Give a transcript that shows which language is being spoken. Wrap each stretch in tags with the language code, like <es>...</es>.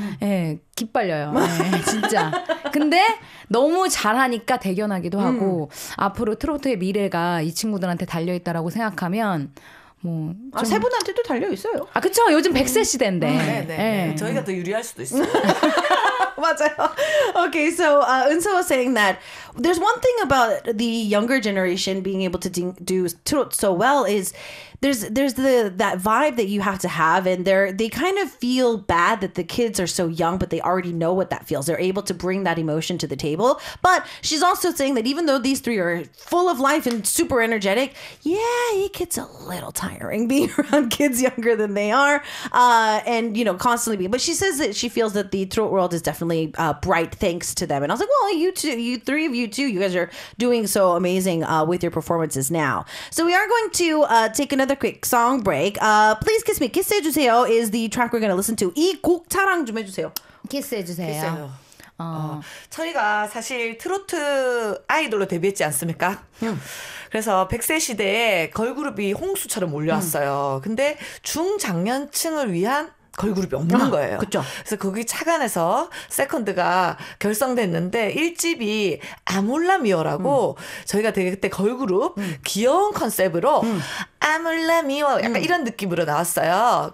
<ko>예, 기빨려요. 예, 진짜. 근데 너무 잘하니까 대견하기도 하고 앞으로 트로트의 미래가 이 친구들한테 달려있다라고 생각하면 뭐 세 분한테도 달려 있어요. 아 그렇죠. 요즘 100세 시대인데. 네. 저희가 더 유리할 수도 있어요. 맞아요.</ko> <en>Okay, so Eunseo was saying that there's one thing about the younger generation being able to do trot so well is there's that vibe that you have to have, and they kind of feel bad that the kids are so young, but they already know what that feels. They're able to bring that emotion to the table. But she's also saying that even though these three are full of life and super energetic, yeah, it gets a little tiring being around kids younger than they are, and you know, constantly being. But she says that she feels that the trot world is definitely bright thanks to them. And I was like, well, you three of you too, you guys are doing so amazing with your performances now. So we are going to take another quick song break. Please Kiss Me, Kiss 해주세요 is the track we're going to listen to.</en> <ko>이 곡 자랑 좀 해주세요. Kiss 해주세요. 저희가 사실 트로트 아이돌로 데뷔했지 않습니까? 그래서 100세 시대에 걸그룹이 홍수처럼 몰려왔어요. 근데 중장년층을 위한 걸그룹이 없는 거예요. 그쵸. 그래서 거기 착안해서 세컨드가 결성됐는데 1집이 아몰라미어라고 저희가 되게 그때 걸그룹 귀여운 컨셉으로 아몰라미어 약간 이런 느낌으로 나왔어요.</ko>